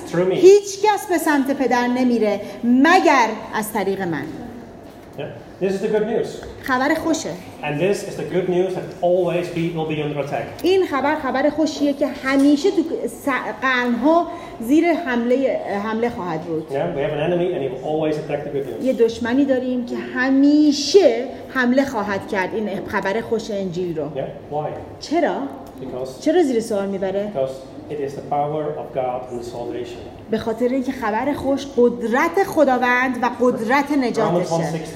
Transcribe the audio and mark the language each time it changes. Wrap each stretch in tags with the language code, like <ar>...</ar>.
<fa>هیچ کس به سمت پدر نمیره مگر از طریق من.</fa> <en>This is the good news.</en> <fa>خبر خوشه.</fa> <en>And this is the good news that always people will be under attack.</en> <fa>این خبر خوشیه که همیشه تو قرن‌ها زیر حمله خواهد بود.</fa> <en>Yeah, we have an enemy and he will always attack the good news.</en> <fa>یه دشمنی داریم که همیشه حمله خواهد کرد این خبر خوش انجیل رو.</fa> <en>Yeah, why?</en> <fa>چرا؟</fa> <en>Because.</en> <fa>چرا زیر سوال میبره؟</fa> <en>Because it is the power of God and salvation.</en> <fa>به خاطر اینکه خبر خوش قدرت خداوند و قدرت نجاتشه.</fa>